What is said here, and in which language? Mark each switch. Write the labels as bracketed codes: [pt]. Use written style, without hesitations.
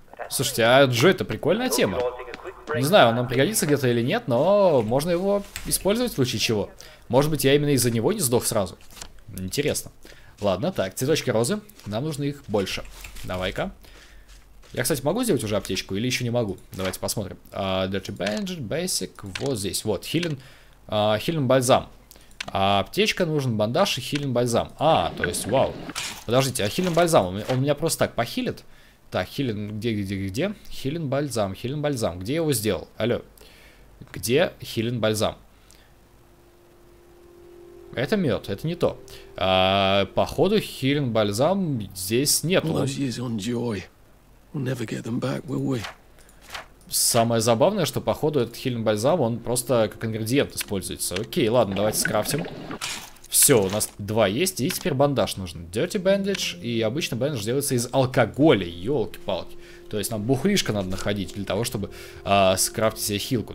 [ru] Слушайте, а Джо, это прикольная тема. Не знаю, он нам пригодится где-то или нет, но можно его использовать в случае чего. Может быть, я именно из-за него не сдох сразу. Интересно. Ладно, так, цветочки розы. Нам нужно их больше. Давай-ка. Я, кстати, могу сделать уже аптечку или еще не могу? Давайте посмотрим. Dirty Bandage, Basic, вот здесь. Вот, Healing Balsam. Аптечка, нужен бандаж и Healing Balsam. А, то есть, вау. Подождите, а Healing Balsam, он меня просто так похилит? Так, Healing, где? Healing Balsam. Где я его сделал? Алло. Где Healing Balsam? Это мед, это не то. Походу, Healing Balsam здесь нету. [en] We'll never get them back, will we? [ru] Самое забавное, что походу этот Healing Balsam, он просто как ингредиент используется. Окей, ладно, давайте скрафтим. Все, у нас два есть, и теперь бандаж нужен. Dirty Bandage, и обычно бандаж делается из алкоголя, елки-палки. То есть нам бухлишко надо находить для того, чтобы скрафтить себе хилку.